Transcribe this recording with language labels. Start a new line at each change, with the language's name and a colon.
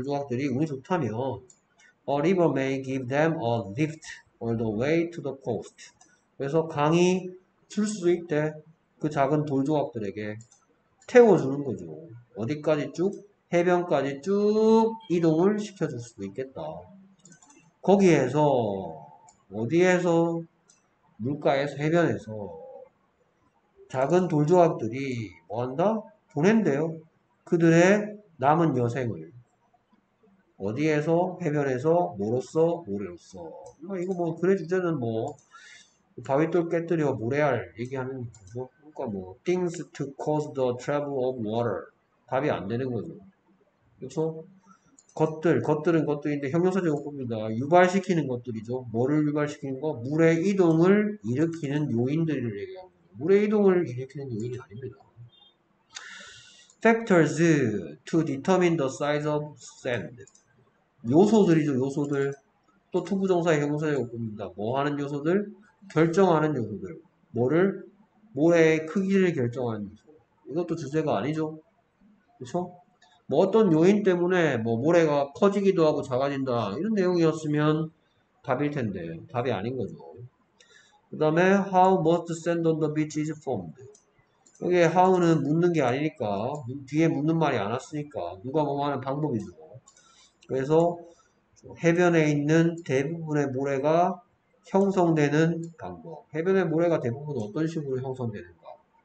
Korean: 돌조각들이 운이 좋다면,
English: a river may give them a lift all the way to the coast.
Korean: 그래서 강이 줄수 있대. 그 작은 돌조각들에게 태워주는 거죠. 어디까지 쭉? 해변까지 쭉 이동을 시켜줄 수도 있겠다. 거기에서, 어디에서? 물가에서, 해변에서. 작은 돌조각들이 뭐한다? 보낸대요. 그들의 남은 여생을. 어디에서? 해변에서? 뭐로써? 모래로써. 이거 뭐, 글의 주제는 뭐, 바윗돌 깨뜨려 모래알 얘기하는 거죠. 그러니까 뭐,
English: things to cause the trouble of water.
Korean: 답이 안 되는 거죠. 그래서 그렇죠? 것들은 것들인데 형용사적으로 봅니다. 유발시키는 것들이죠. 뭐를 유발시키는 거? 물의 이동을 일으키는 요인들을 얘기합니다. 물의 이동을 일으키는 요인이 아닙니다.
English: Factors to determine the size of sand.
Korean: 요소들이죠, 요소들. 또 to 부정사의 형용사적으로 봅니다. 뭐 하는 요소들? 결정하는 요소들. 뭐를? 모래의 크기를 결정하는 요소. 이것도 주제가 아니죠. 그렇죠? 뭐 어떤 요인 때문에 뭐 모래가 커지기도 하고 작아진다. 이런 내용이었으면 답일 텐데, 답이 아닌 거죠. 그 다음에
English: how much sand on the beach is formed.
Korean: 여기에 how는 묻는 게 아니니까, 뒤에 묻는 말이 안 왔으니까 누가 뭐 하는 방법이죠. 그래서 해변에 있는 대부분의 모래가 형성되는 방법. 해변의 모래가 대부분 어떤 식으로 형성되는가?